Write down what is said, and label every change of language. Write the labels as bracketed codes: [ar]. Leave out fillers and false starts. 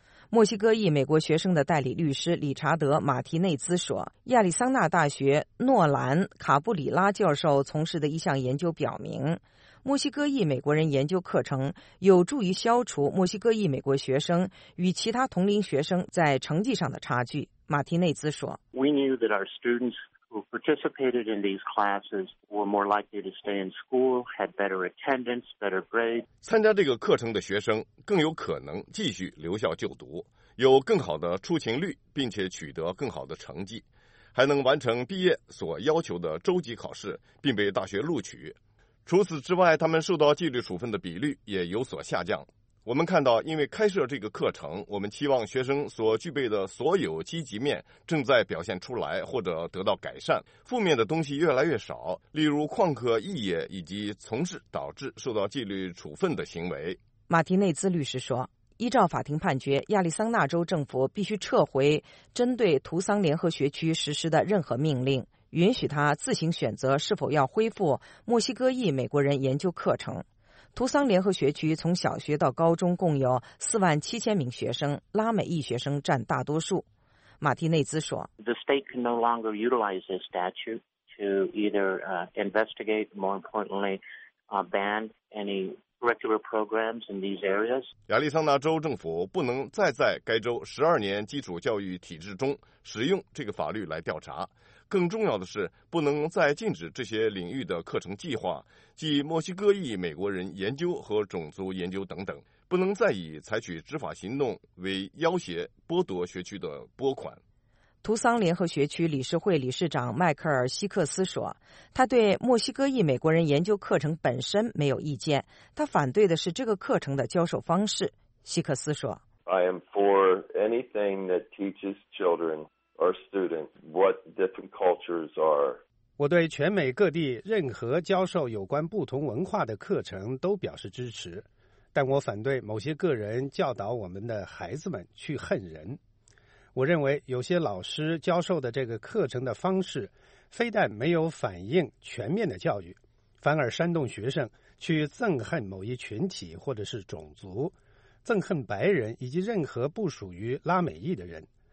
[zh] 墨西哥裔美国学生的代理律师理查德·马提内兹说，亚利桑那大学诺兰·卡布里拉教授从事的一项研究表明，墨西哥裔美国人研究课程有助于消除墨西哥裔美国学生与其他同龄学生在成绩上的差距。马提内兹说， [en] We knew that our students who participated in these classes were more likely to stay in school, had better attendance, better grades. [zh] 参加这个课程的学生更有可能继续留校就读，有更好的出勤率，并且取得更好的成绩，还能完成毕业所要求的周级考试，并被大学录取。除此之外，他们受到纪律处分的比率也有所下降。我们看到，因为开设这个课程，我们期望学生所具备的所有积极面正在表现出来或者得到改善，负面的东西越来越少，例如旷课、异业以及从事导致受到纪律处分的行为。马提内兹律师说，依照法庭判决，亚利桑那州政府必须撤回针对图桑联合学区实施的任何命令，允许他自行选择是否要恢复墨西哥裔美国人研究课程。图桑联合学区从小学到高中共有47000名学生，拉美裔学生占大多数。马蒂内兹说， [en] The state can no longer utilize this statute to either investigate, more importantly, ban any regular programs in these areas. [zh] 亚利桑那州政府不能再在该州12年基础教育体制中使用这个法律来调查。更重要的是，不能再禁止这些领域的课程计划，即墨西哥裔美国人研究和种族研究等等，不能再以采取执法行动为要挟剥夺学区的拨款。图桑联合学区理事会理事长迈克尔·希克斯说，他对墨西哥裔美国人研究课程本身没有意见，他反对的是这个课程的教授方式。希克斯说， [en] I am for anything that teaches children. Our students, what different cultures are. [zh] 我对全美各地任何教授有关不同文化的课程都表示支持，但我反对某些个人教导我们的孩子们去恨人。我认为有些老师教授的这个课程的方式，非但没有反映全面的教育，反而煽动学生去憎恨某一群体或者是种族，憎恨白人以及任何不属于拉美裔的人。